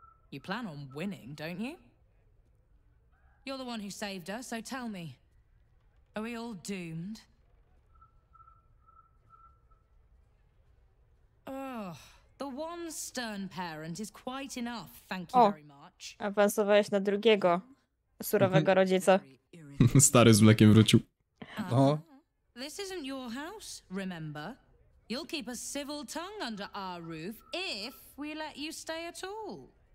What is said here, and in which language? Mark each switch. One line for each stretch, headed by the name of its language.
English: You plan on winning, don't you? You're the one who saved her, so tell me. Are we all doomed? Oh, the one stern parent is quite enough, thank you very much.
Polish: O, awansowałeś na drugiego surowego rodzica. Stary z mlekiem wrócił.
English: This isn't your house, remember? You'll keep a civil tongue under our roof if we let you stay at all.